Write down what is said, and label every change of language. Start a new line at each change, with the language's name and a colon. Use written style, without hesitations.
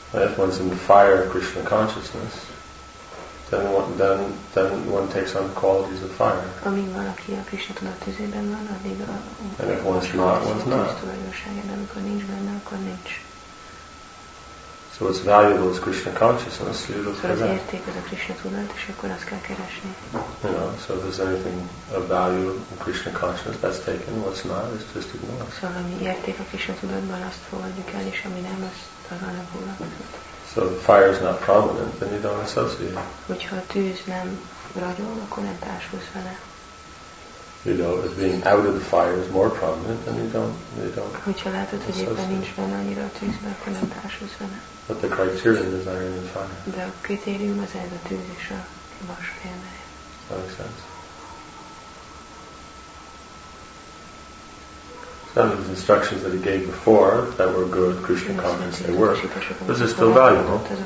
English: If one's in the fire of Krishna consciousness, then one takes on the qualities of fire.
Hungarian: Amíg valaki a Krishna tudatűzében van, addig a.
English: And if one's not, one's not.
Hungarian: Amikor nincs benne, akkor nincs.
English: So what's valuable is Krishna consciousness. You look for that.
Hungarian: Érték az a Krishna tudat, és akkor azt kell keresni.
English: You know, so if there's anything of value in Krishna consciousness, that's taken. What's not, it's just ignored.
Hungarian: So ami érték a Krishna tudatban, azt fogadjuk el, és ami nem, azt talán elhullad.
English: So if the fire is not prominent, then you don't associate.
Hungarian: Hogyha a tűz nem ragyog, akkor nem társulsz vele.
English: You know, if being out of the fire is more prominent, then you don't.
Hungarian: Hogyha látod, hogy éppen nincs benne annyira a tűzbe, akkor nem társulsz vele.
English: But the criterion is iron and fire.
Hungarian: De a kritérium az ez a tűz és a vas példája.
English: That makes sense. Some of the instructions that he gave before that were good, Krishna conscious, they were. Those are still valuable.